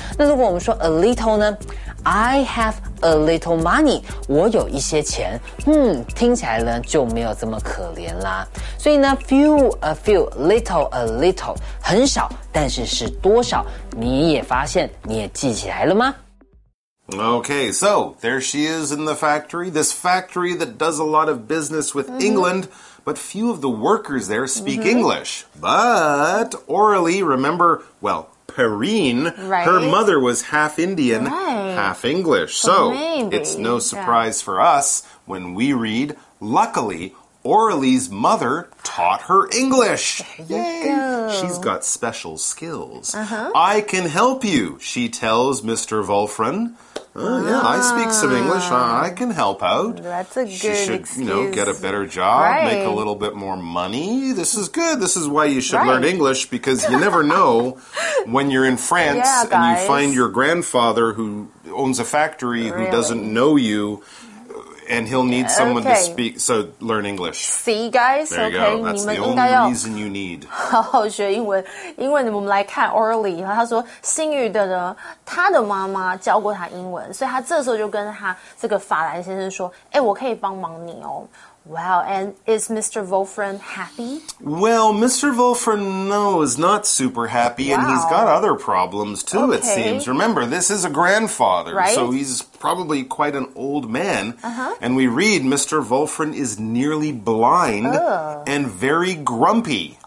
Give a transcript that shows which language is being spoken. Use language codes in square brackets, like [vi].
[zh] 那如果我们说 a little 呢 ， [en] I have a little money， [zh] 我有一些钱，嗯，听起来呢就没有这么可怜啦。所以呢 ， [en] few a few， little a little， [zh] 很少，但是是多少？你也发现，你也记起来了吗？ [en] Okay, so there she is in the factory. This factory that does a lot of business with England, but few of the workers there speak English. But Aurélie, remember, well, Perrine, her mother was half Indian, half English. So it's no surprise for us when we read, luckily, Aurélie's mother taught her English. Yay! She's got special skills. I can help you, she tells Mr. Wolfram. I speak some English. I can help out. That's a good excuse. She should, you know, get a better job, make a little bit more money. This is good. This is why you should learn English, because you never know when you're in France and you find your grandfather who owns a factory who doesn't know you, and he'll need someone to speak, so learn English. See, guys? There you go. That's the only reason you need. [zh] 好好学英文。因为我们来看 Orly， 他说星宇的呢，他的妈妈教过他英文，所以他这时候就跟他这个法兰先生说，欸，我可以帮忙你哦。 [en] Wow, and is Mr. Wolfram happy? Well, Mr. Wolfram, no, is not super happy, and he's got other problems too, it seems. Remember, this is a grandfather, right? So he's probably quite an old man. Uh-huh. And we read Mr. Wolfram is nearly blind and very grumpy.